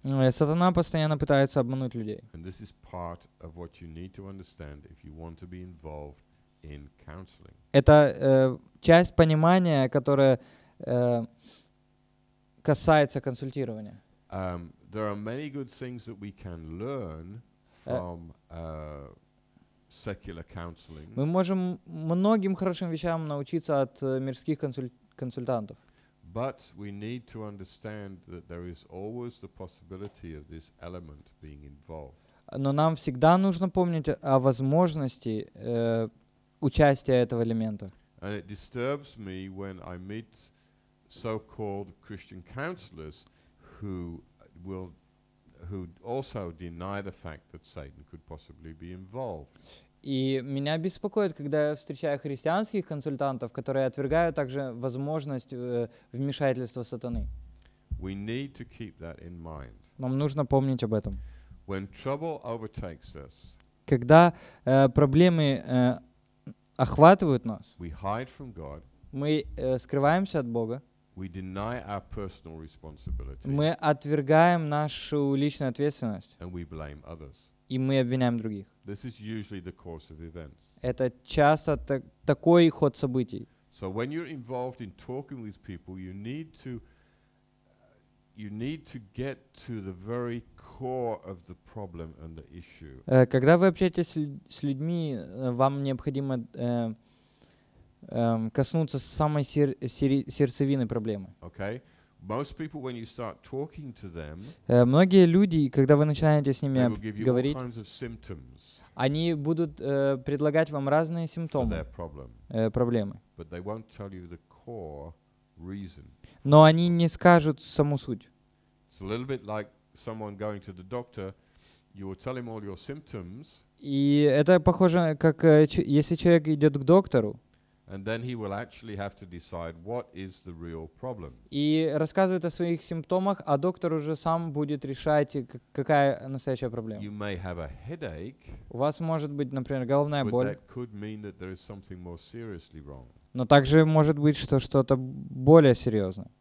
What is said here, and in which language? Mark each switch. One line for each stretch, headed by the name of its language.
Russian: Сатана постоянно пытается обмануть людей. И это часть того, что вы должны понять, если вы хотите быть
English: involved in counseling.
Russian: Это часть понимания, которая касается консультирования.
English: There are many good things that we can learn from secular counseling.
Russian: Мы можем многим хорошим вещам научиться от мирских консультантов.
English: But we need to understand that there is always the possibility of this element being involved.
Russian: Но нам всегда нужно помнить о возможности участия этого элемента.
English: And it disturbs me when I meet so-called Christian counselors who will who also deny the fact that Satan could possibly be involved.
Russian: И меня беспокоит, когда я встречаю христианских консультантов, которые отвергают также возможность вмешательства сатаны.
English: We need to keep that in mind.
Russian: Нам нужно помнить об этом.
English: When trouble overtakes us,
Russian: когда проблемы охватывают нас,
English: we hide from God,
Russian: мы скрываемся от Бога,
English: we deny our personal responsibility,
Russian: мы отвергаем нашу личную ответственность,
English: and we blame others.
Russian: И мы обвиняем других.
English: This is usually the course of events.
Russian: Это часто такой ход событий.
English: So when you're involved in talking with people, you need to get to the very core of the problem and the issue.
Russian: Когда вы общаетесь с людьми, вам необходимо коснуться самой сердцевины проблемы.
English: Okay. Most people, when you start talking to them,
Russian: многие люди, когда вы начинаете с ними говорить,
English: all kinds of symptoms,
Russian: они будут предлагать вам разные симптомы, проблемы.
English: But they won't tell you the core reason.
Russian: Но они не скажут саму суть.
English: It's a little bit like someone going to the doctor. You will tell him all your symptoms.
Russian: И это похоже, как если человек идет к доктору.
English: And then he will actually have to decide what is the real problem.
Russian: И рассказывает о своих симптомах, а доктор уже сам будет решать, какая настоящая проблема.
English: You may have a headache.
Russian: У вас может быть, например, головная боль.
English: But that could mean that there is something more seriously wrong.
Russian: Но также может быть, что что-то более серьезное.